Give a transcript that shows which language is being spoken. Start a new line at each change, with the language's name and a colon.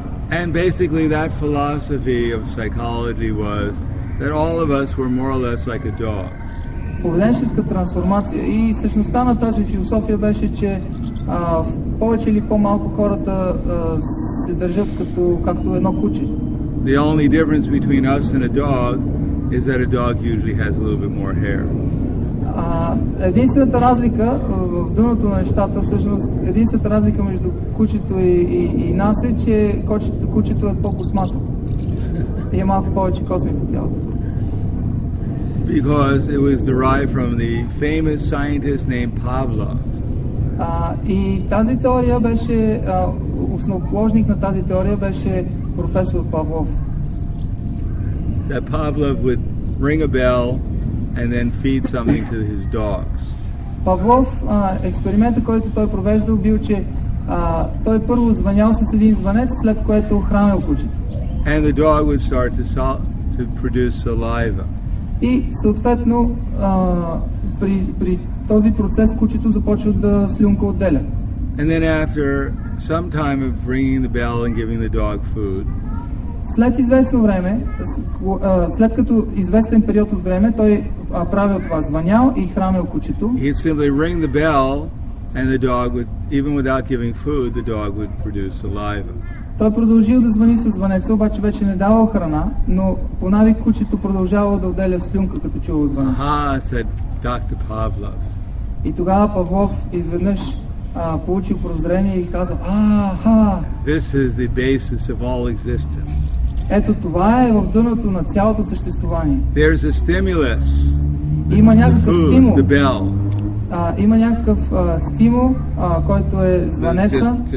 English: And basically that philosophy of psychology was that all of us were more or less like a dog.
Bulgarian: Поведенческа трансформация и същността на тази философия беше, че повече или по-малко хората се държат като както едно куче.
English: The only difference between us and a dog is that a dog usually has a little bit more hair.
Bulgarian: Единствената разлика в дъното на нещата, всъщност, единствената разлика между кучето и нас е, че кучето е по-космато. И е малко повече косми по тялото.
English: Because it was derived from the famous scientist named Pavlov.
Bulgarian: И тази теория беше, основоположник на тази теория беше професор Павлов.
English: That Pavlov would ring a bell and then feed something to his dogs.
Bulgarian: Павлов, експериментът, който той провеждал, бил, че той първо звънял с един звънец, след което хранил кучето.
English: And the dog would start to produce saliva.
Bulgarian: И съответно, при този процес кучето започва да слюнка отделя.
English: And then after some time of ringing the bell and giving the dog food,
Bulgarian: след известно време, след като известен период от време, той правил това, звънял и хранил кучето.
English: He'd simply ring the bell and the dog would, even without giving food, the dog would produce saliva.
Bulgarian: Той продължил да звъни със звънеца, обаче вече не давал храна, но по навик кучето продължавало да отделя слюнка, като чувало звънеца.
English: Aha, said Dr. Pavlov.
Bulgarian: И тогава Павлов изведнъж получил прозрение и каза, аха!
English: This is the basis of all existence.
Bulgarian: Ето това е в дъното на цялото съществувание.
English: There's a stimulus.
Bulgarian: Има някакъв стимул.
English: The bell.
Bulgarian: има някакъв стимул, който е звънеца.